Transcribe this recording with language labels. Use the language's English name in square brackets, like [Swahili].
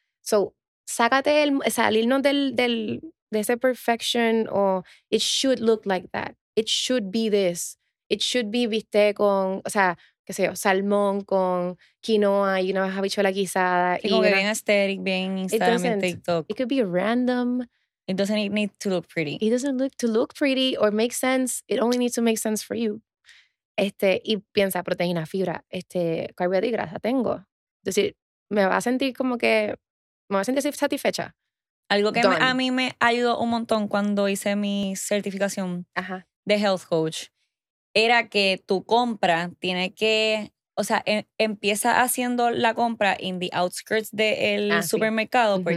[English] So, [Spanish] sácate el, salirnos de ese [English] perfection o it should look like that. It should be this. It should be [Spanish] bistec con, o sea, qué sé yo, salmón con quinoa y una habichuela guisada. Sí, como que bien aesthetic, bien Instagram, en TikTok. [English] It could be random. It doesn't need to look pretty. It doesn't look to look pretty or make sense. It only needs to make sense for you. [Spanish] Y piensa, proteína, fibra, carbohidratos y grasa tengo. Es decir, me va a sentir como que, me va a sentir satisfecha. Algo que a mí me ayudó un montón cuando hice mi certificación de health coach era que tu compra tiene que, o sea, empieza haciendo la compra [English] in the outskirts [Spanish] del supermercado, sí.